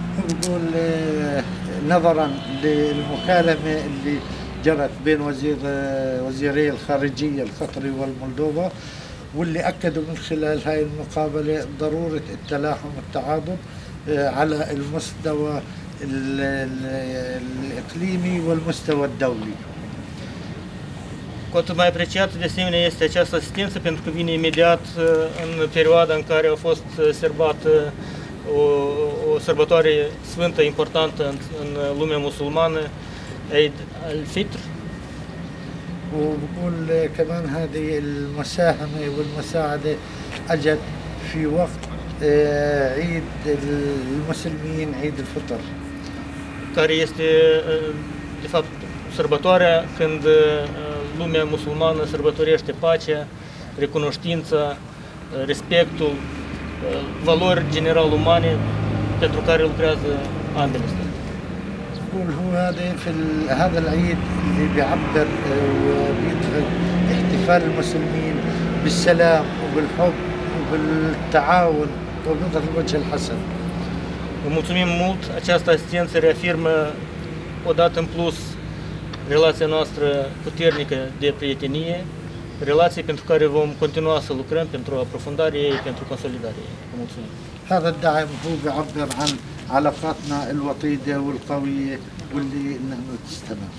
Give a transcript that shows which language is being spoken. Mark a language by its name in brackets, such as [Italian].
[Arabic] نقول نظرا للمكالمة اللي جرت بين وزيري الخارجية القطري والمولدوفا واللي أكدوا من خلال هاي المقابلة ضرورة التلاحم والتعاضد على المستوى الإقليمي والمستوى الدولي. [Romanian] Cu atât mai apreciată de asemenea este această asistență pentru că vine imediat în perioada în care a fost serbată o sărbătoare sfântă importantă în lumea musulmană, Eid al-Fitr. [Arabic] وبقول كمان هذه المساهمة والمساعدة أجت في وقت عيد المسلمين عيد الفطر. [Romanian] care este de fapt sărbătoarea când lumea musulmană sărbătorește pacea, recunoștința, respectul, valori general umane pentru care lucrează ambele state. [Arabic] يقول هو هذا في هذا العيد اللي بيعبر وبيدخل احتفال المسلمين بالسلام وبالحب وبالتعاون وبنظر الوجه الحسن. ومسلمين موت [Romanian] această asistență reafirmă o dată în plus relația noastră puternică de prietenie, relație pentru care vom continua să lucrăm pentru aprofundare ei, pentru consolidare ei. Mulțumim. [Arabic] هذا الدعم هو بيعبر عن علاقاتنا الوطيدة والقوية واللي نحن تستمر.